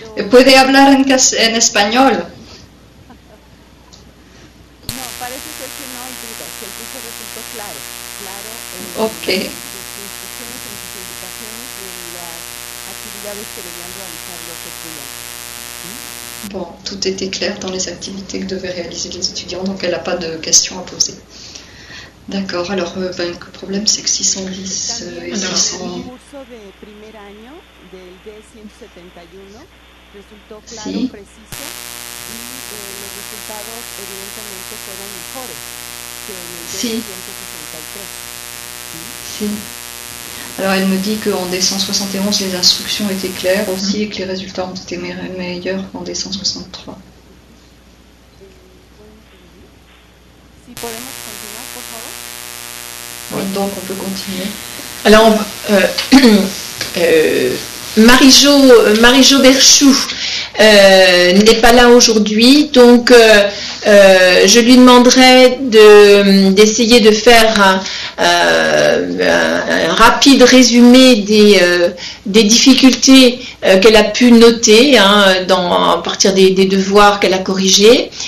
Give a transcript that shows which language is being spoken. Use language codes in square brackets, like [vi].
[es] ¿Puede hablar en español? No, parece ser que no hay duda, que el curso resultó claro. Claro, okay. Sus instrucciones y las actividades que debían realizar los estudiantes. [fr] Bon, tout était clair dans les activités que devaient réaliser les étudiants, donc elle n'a pas de questions à poser. D'accord, alors ben, le problème c'est que si son vice est en... [es] Le curso de premier año del D171 resultó claro, si. Preciso, y los resultados evidentemente fueron mejores que en el D163. Si. [fr] Alors elle me dit qu'en D171 les instructions étaient claires aussi et que les résultats ont été meilleurs qu'en D163. [es] Si podemos continuar, por favor. [fr] Oui, donc on peut continuer. Alors Marie-Jo Berchou n'est pas là aujourd'hui, donc je lui demanderai d'essayer de faire un rapide résumé des difficultés qu'elle a pu noter hein, à partir des devoirs qu'elle a corrigés.